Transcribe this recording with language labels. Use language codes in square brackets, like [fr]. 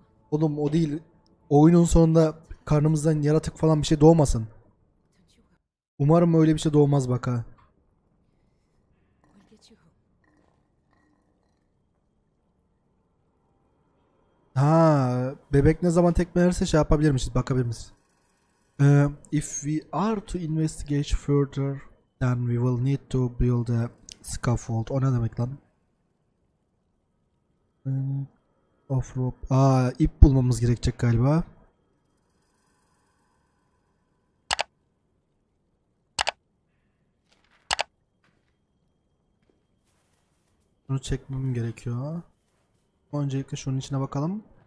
[tr] Oğlum o değil. Oyunun sonunda karnımızdan yaratık falan bir şey doğmasın. Umarım öyle bir şey doğmaz bak ha. Ha, bebek ne zaman tekmelerse şey yapabilirmişiz, bakabilirmişiz. [en] If we are to investigate further, then we will need to build a scaffold. [tr] O ne demek lan? [en] Of rope. [tr] Aa, ip bulmamız gerekecek galiba. Bunu çekmem gerekiyor. Öncelikle şunun içine bakalım.